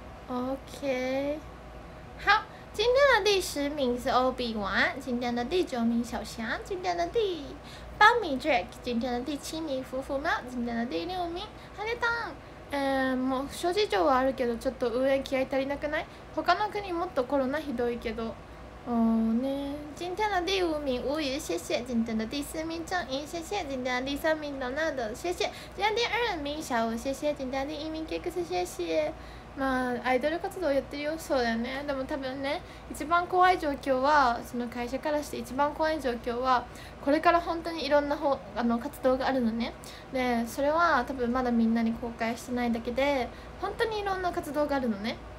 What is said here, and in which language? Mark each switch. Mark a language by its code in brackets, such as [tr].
[zh] OK， 好，今天的第十名是 Obi Wan， 今天的第九名小霞，今天的第八名 Jack， 今天的第七名福福猫，今天的第六名 Hanetan。 [ja] もう諸事情はあるけど、ちょっと運営気合足りなくない？他の国もっとコロナひどいけど。 [zh] ね、今天的第五名吴宇，谢谢。今天的第四名郑怡，谢谢。今天的第三名 Donald， 谢谢。今天第二名小吴，谢谢。今天的第一名 Kix， 谢谢。 [ja] まあアイドル活動やってるよ。そうだよね。でも多分ね、一番怖い状況は、その会社からして一番怖い状況は、これから本当にいろんな方あの活動があるのね。でそれは多分まだみんなに公開してないだけで、本当にいろんな活動があるのね。